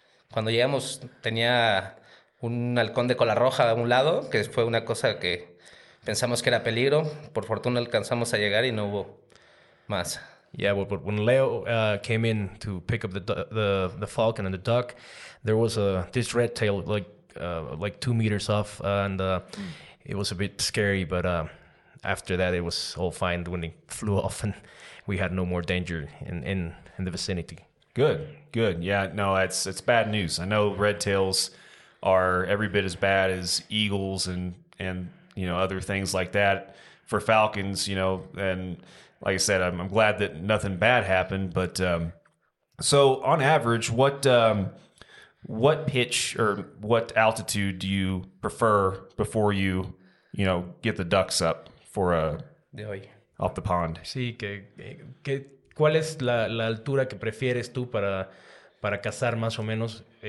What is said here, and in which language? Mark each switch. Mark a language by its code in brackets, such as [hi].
[es] Cuando llegamos tenía un halcón de cola roja a un lado, que fue una cosa que pensamos que era peligro. Por fortuna alcanzamos a llegar y no hubo más. [en] Yeah, but when Leo came in to pick up the falcon and the duck, there was this red tail like 2 meters off, and it was a bit scary. But after that, it was all fine when it flew off, and we had no more danger in the vicinity. Good, good. Yeah, no, it's bad news. I know red tails are every bit as bad as eagles and you know, other things like that for falcons, you know. And like I said, I'm glad that nothing bad happened. But so on average, what pitch or what altitude do you prefer before you know, get the ducks up for off the pond? [es] Sí, que ¿cuál es la altura que prefieres tú para cazar más o menos?